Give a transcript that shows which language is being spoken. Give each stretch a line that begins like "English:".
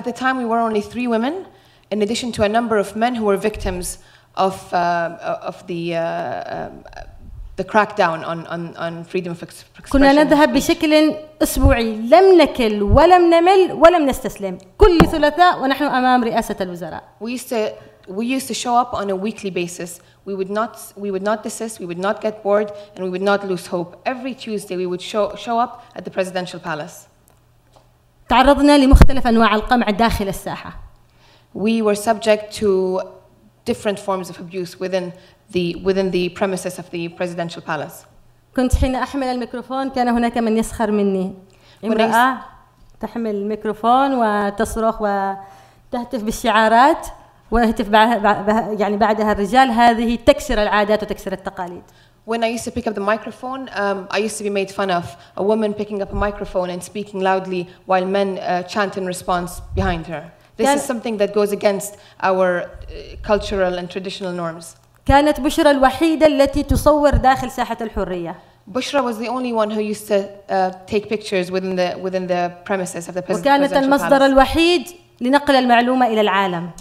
English: At the time, we were only three women, in addition to a number of men who were victims of the crackdown on freedom of expression.
Arabic: كنا نذهب بشكل أسبوعي، لم نكل ولم نمل ولم نستسلم كل ثلاثاء ونحن أمام رئاسة الوزراء.
English: We used to show up on a weekly basis. We would not desist. We would not get bored, and we would not lose hope. Every Tuesday, we would show up at the presidential palace.
Arabic: تعرضنا لمختلف أنواع القمع داخل الساحة.
English: We were subject to different forms of abuse within the premises of the presidential palace.
Arabic: كنت حين أحمل الميكروفون كان هناك من يسخر مني. امرأة تحمل الميكروفون وتصرخ وتهتف بالشعارات. وهتف يعني بعدها الرجال هذه تكسر العادات وتكسر التقاليد.
English: When I used to pick up the microphone, I used to be made fun of. A woman picking up a microphone and speaking loudly while men chant in response behind her. This is something that goes against our cultural and traditional norms.
Arabic: كانت بشرى الوحيدة التي تصور داخل ساحة الحرية.
English: Bushra was the only one who used to take pictures within the premises of the presidential palace.
Arabic: وكانت المصدر الوحيد لنقل المعلومة إلى العالم.